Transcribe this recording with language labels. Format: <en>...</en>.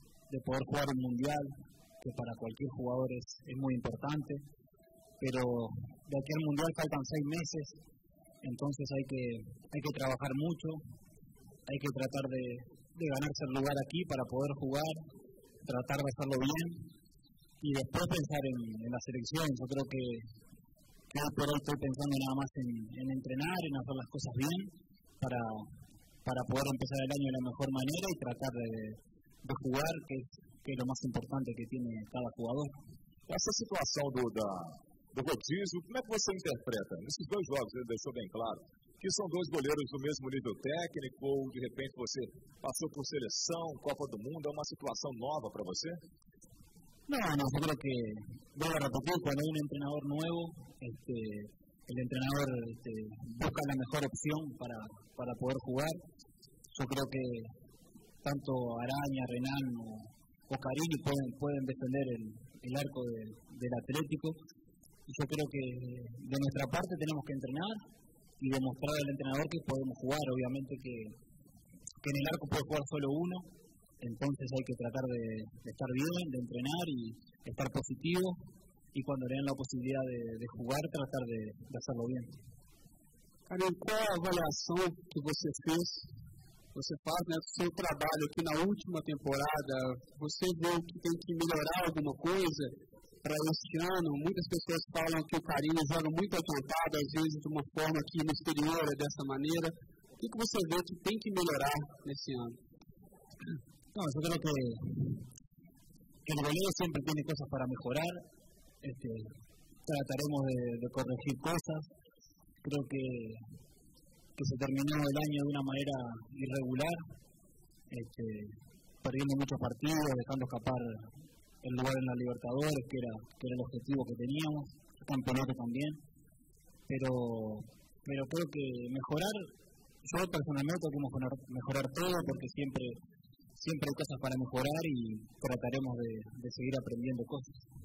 <es>de poder jugar un mundial, que para cualquier jugador es muy importante, pero de aquí al mundial faltan 6 meses, entonces hay que trabajar mucho, hay que tratar de ganarse el lugar aquí para poder jugar, tratar de hacerlo bien y después pensar en la selección. Yo creo que hoy por hoy estoy pensando nada más en entrenar, en hacer las cosas bien para poder empezar el año de la mejor manera y tratar de jugar,</es> <pt>que é o mais importante que tem cada jogador. Essa situação do rodízio, como é que você interpreta? Nesses dois jogos, ele deixou bem claro que são dois goleiros do mesmo nível técnico, ou de repente você passou por seleção, Copa do Mundo, é uma situação nova para você? Não, eu acho que, vou repetir, quando é um treinador novo, o treinador busca a melhor opção para poder jogar. Eu acho que tanto Araña, Renan, o Carini</pt> <es>pueden defender el arco del Atlético. Yo creo que de nuestra parte tenemos que entrenar y demostrar al entrenador que podemos jugar. Obviamente que en el arco puede jugar solo uno, entonces hay que tratar de estar bien, de entrenar y estar positivo. Y cuando le dan la posibilidad de jugar, tratar de hacerlo bien.</es> <pt>Carini,</pt> <es>¿cuál evaluación</es> <pt>que você fez? Você faz, né, seu trabalho aqui na última temporada, você vê que tem que melhorar alguma coisa para este ano? Muitas pessoas falam que o Carinho joga muito adiantado, às vezes de uma forma que no exterior é dessa maneira. O que você vê que tem que melhorar nesse ano? Não, eu creio que o goleiro sempre tem coisas para melhorar. Trataremos de corrigir coisas. Creio</pt> <es>que se terminó el año de una manera irregular, perdiendo muchos partidos, dejando escapar el lugar en la Libertadores, que era el objetivo que teníamos, el campeonato también. Pero creo que mejorar, yo personalmente tenemos que mejorar todo, porque siempre hay cosas para mejorar y trataremos de seguir aprendiendo cosas.</es>